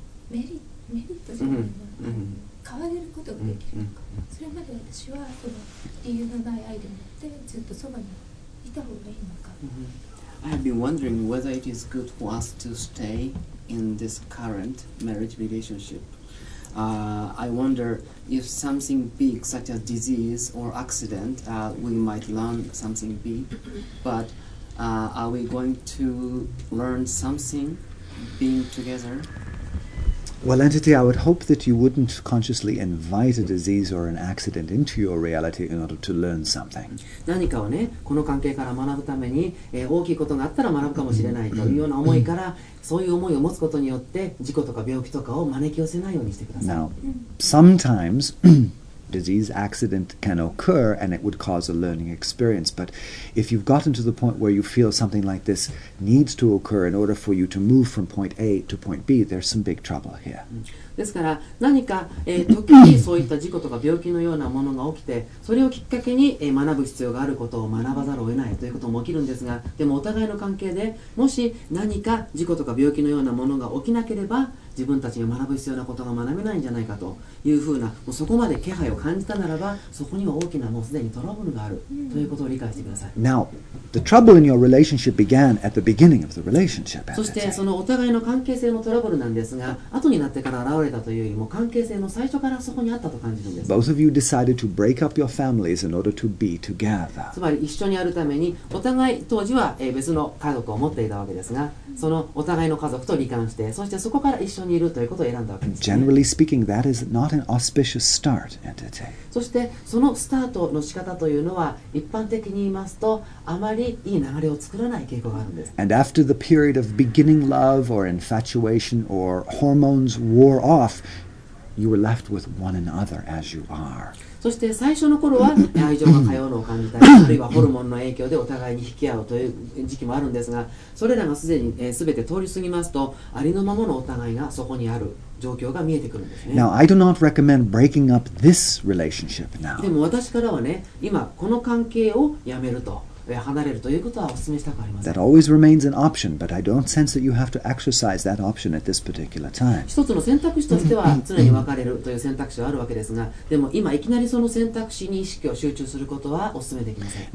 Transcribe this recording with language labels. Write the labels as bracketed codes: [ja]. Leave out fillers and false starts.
[ja] メリットじゃないな、変われることができるのか、それまで私はこの理由のない愛でもってずっとそばにいた方がいいのか。 [en] I have been wondering whether it is good for us to stay in this current marriage relationship. I wonder if something big, such as disease or accident, we might learn something big, but are we going to learn something being together? Well, entity, I would hope that you wouldn't consciously invite a disease or an accident into your reality in order to learn something. [ja] 何かをね、この関係から学ぶために、大きいことがあったら学ぶかもしれないというような思いから、そういう思いを持つことによって、事故とか病気とかを招き寄せないようにしてください。 [en] Now, sometimes disease accident can occur and it would cause a learning experience. But if you've gotten to the point where you feel something like this needs to occur in order for you to move from point A to point B, there's some big trouble here. [ja] ですから何か、時にそういった事故とか病気のようなものが起きて、それをきっかけに、学ぶ必要があることを学ばざるを得ないということも起きるんですが、でもお互いの関係でもし何か事故とか病気のようなものが起きなければ自分たちが学ぶ必要なことが学べないんじゃないかというふうな、もうそこまで気配を感じたならば、そこには大きなもうすでにトラブルがあるということを理解してください。 [en] Now, the trouble in your relationship began at the beginning of the relationship. [ja] そしてそのお互いの関係性のトラブルなんですが、後になってから現れたというよりも関係性の最初からそこにあったと感じるんです。 [en] Both of you decided to break up your families in order to be together. [ja] つまり一緒にあるために、お互い当時は別の家族を持っていたわけですが、そのお互いの家族と離婚して、そしてそこから一緒にいるということを選んだわけです、ね、 [en] Generally speaking, that is not an auspicious start, entity. [ja] そしてそのスタートの仕方というのは、一般的に言いますとあまりいい流れを作らない傾向があるんです。 [en] And after the period of beginning love or infatuation or hormones wore off, you were left with one another as you are. [ja] そして最初の頃は愛情が通うのを感じたり、あるいはホルモンの影響でお互いに引き合うという時期もあるんですが、それらがすでに全て通り過ぎますと、ありのままのお互いがそこにある状況が見えてくるんですね。 [en] Now, I do not recommend breaking up this relationship now. [ja] でも私からはね、今この関係をやめると離れるということはお勧めしたくありません。 [en] That always remains an option, but I don't sense that you have to exercise that option at this particular time. [ja] 一つの選択肢としては常に別れるという選択肢はあるわけですが、でも今いきなりその選択肢に意識を集中することはお勧めできません。